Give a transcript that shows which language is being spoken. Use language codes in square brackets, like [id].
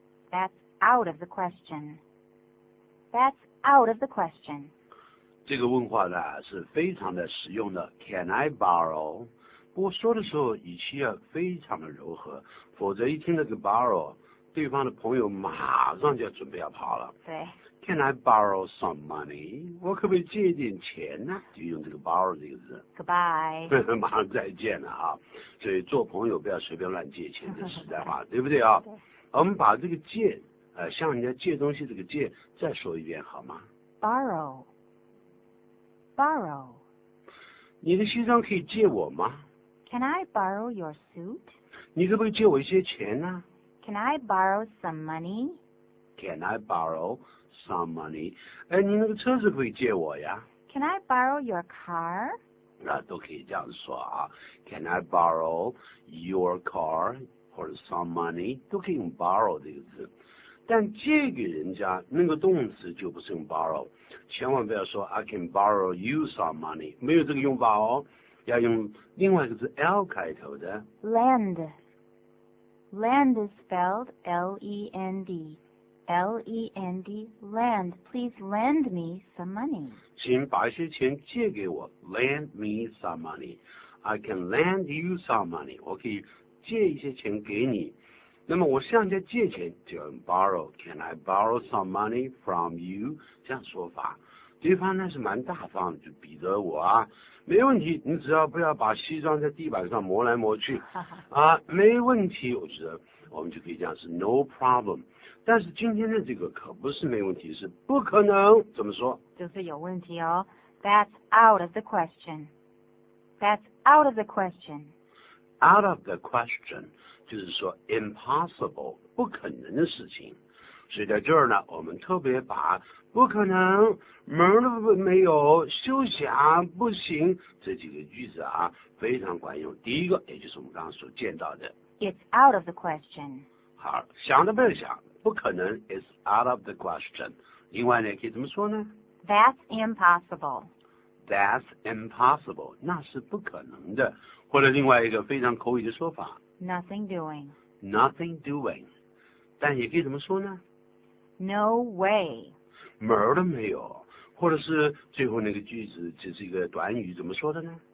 [en] That's out of the question. That's out of the question. [zh] 这个问话呢是非常的实用的 ， [en] Can I borrow? [zh] 不过说的时候语气要非常的柔和，否则一听那个 borrow， 对方的朋友马上就要准备要跑了。对。 [en] Can I borrow some money? [zh] 我可不可以借一点钱呢？就用这个 borrow 这个字。 [en] Goodbye. [zh] 马上再见了啊！所以做朋友不要随便乱借钱，这实在话，对不对啊？对。我们把这个借，向人家借东西这个借，再说一遍好吗 [en] ？Borrow. Borrow. [zh] 你的西装可以借我吗 [en] ？Can I borrow your suit? [zh] 你可不可以借我一些钱呢 [en] ？Can I borrow some money? Can I borrow some money? [zh] 哎，你那个车子可以借我呀 [en] ？Can I borrow your car? [zh] 那都可以这样说啊。 [en] Can I borrow your car or some money? [zh] 都可以用 borrow 这个字。但借给人家那个动词就不是用 borrow， 千万不要说 [en] I can borrow you some money， [zh] 没有这个用法哦。要用另外一个字 L 开头的。 [en] Lend. Lend is spelled L-E-N-D. L-E-N-D, lend. Please lend me some money. [zh] 请把一些钱借给我 [en] Lend me some money. I can lend you some money. [zh] 我可以借一些钱给你。那么我向人家借钱就用 borrow. [en] Can I borrow some money from you? [zh] 这样说法。对方呢是蛮大方的，就比着我啊，没问题，你只要不要把西装在地板上磨来磨去啊，没问题，我觉得我们就可以讲是 no problem。但是今天的这个可不是没问题，是不可能。怎么说？就是有问题哦。 [en] That's out of the question. That's out of the question. Out of the question [zh] 就是说 impossible 不可能的事情。所以在这儿呢，我们特别把不可能、门都没有、休想、不行这几个句子啊，非常管用。第一个，也就是我们刚刚所见到的 [en] ，It's out of the question。 [zh] 好，想都不要想，不可能 ， [en] It's out of the question。 [zh] 另外呢，可以怎么说呢 [en] ？That's impossible。 That's impossible， [zh] 那是不可能的。或者另外一个非常口语的说法 [en] ，Nothing doing。 Nothing doing。 [zh] 但也可以怎么说呢 [en] ？No way， [zh] 门儿都没有，或者是最后那个句子就是一个短语，怎么说的呢